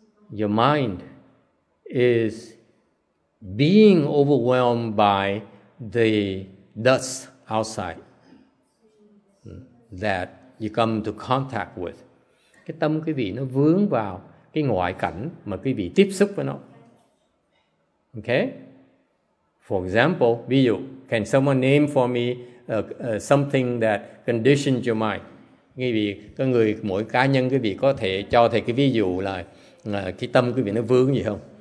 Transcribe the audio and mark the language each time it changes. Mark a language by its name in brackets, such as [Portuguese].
[English] Your mind is being overwhelmed by the dust outside that you come to contact with. [Vietnamese] Cái tâm quý vị nó vướng vào cái ngoại cảnh mà quý vị tiếp xúc với nó. Okay? [English] For example, [Vietnamese] ví dụ, [English] can someone name for me something that conditions your mind? [Vietnamese] Quý vị, có người, mỗi cá nhân quý vị có thể cho thầy cái ví dụ là cái tâm quý vị nó vướng gì không?